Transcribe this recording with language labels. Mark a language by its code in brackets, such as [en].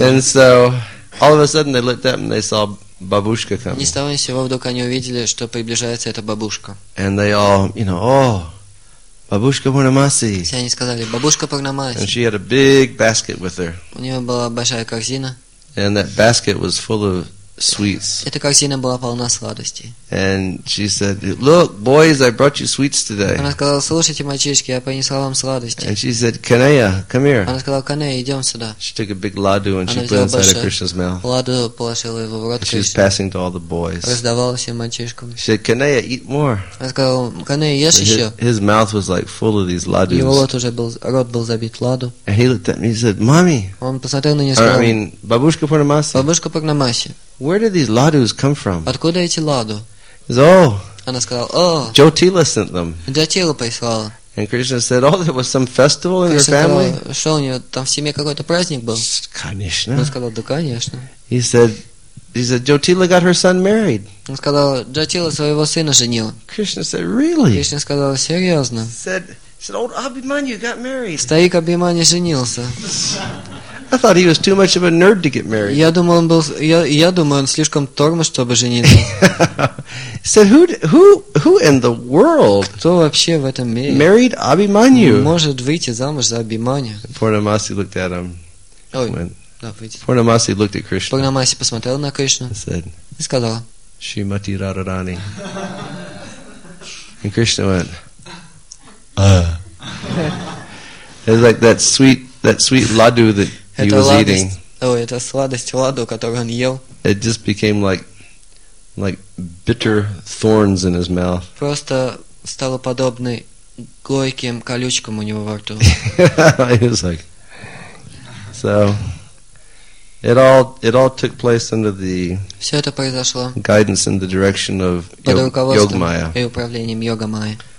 [en] And so, all of a sudden, they looked up and they saw... Бабушка coming. [ru] Ни с того ни с сего вдруг они увидели, что приближается эта бабушка. [en] And they all, you know, oh, бабушка Пурнамаси. [ru] Все они сказали, бабушка Пурнамаси. [en] And she had a big basket with her. [ru] У нее была большая корзина. [en] And that basket was full of sweets. [ru] Эта корзина была полна сладостей. [en] And she said, look, boys, I brought you sweets today. [ru] Она сказала, слушайте, мальчишки, я принесла вам сладости. [en] And she said, Kaneya, come here. [ru] Она сказала, Kaneya, идем сюда. [en] She took a big ladu and she put it inside of Krishna's mouth. [ru] Ладу положила его в рот. [en] She was passing to all the boys. [ru] Раздавала всем мальчишкам. [en] She said, Kaneya, eat more. [ru] Она сказала, Kaneya, ешь еще. [en] His mouth was like full of these ladus. [ru] Его рот уже был, рот был забит ладу. [en] And he looked at me and said, mommy. [ru] Он посмотрел на нее и сказал, [en] I mean, бабушка Пурнамаси. [ru] Бабушка Пурнамаси. [en] Where did these ladus come from? [ru] Откуда эти ладу? Она сказала, о, [en] Джотила sent them. [ru] Джотила прислала. [en] And Krishna said, oh, there was some festival in your family. [ru] Что у нее там в семье какой-то праздник был? Конечно. Она сказала, да, конечно. [en] He said, Jyotila got her son married. [ru] Он сказал, Джотила своего сына женила. [en] Krishna said, really? [ru] Кришна сказала, серьезно? [en] He said, old Abhimanyu got married. [ru] Старик Абхиманья женился. [en] I thought he was too much of a nerd to get married. [ru] Я думал, он слишком тормоз, чтобы жениться. [en] Said who in the world? [ru] Кто вообще в этом мире? [en] Married Abhimanyu. [ru] Может выйти замуж за Абхиманью? [en] Пурнамаси looked at him. [ru] Ой, [en] Пурнамаси looked at Krishna. [ru] Пурнамаси посмотрел на Кришну. [en] Said. [ru] И сказал. Шримати Радарани. [en] And Krishna went. It's like that sweet ladu that. [ru] Это сладость ладу, которую он ел. [en] It just became like bitter thorns in his mouth. [ru] Просто стало подобной горьким колючкам у него во рту. [en] He was like, so it all took place under the [ru] все это произошло [en] guidance and the direction of [ru] Йогмая и управлением Йогамая.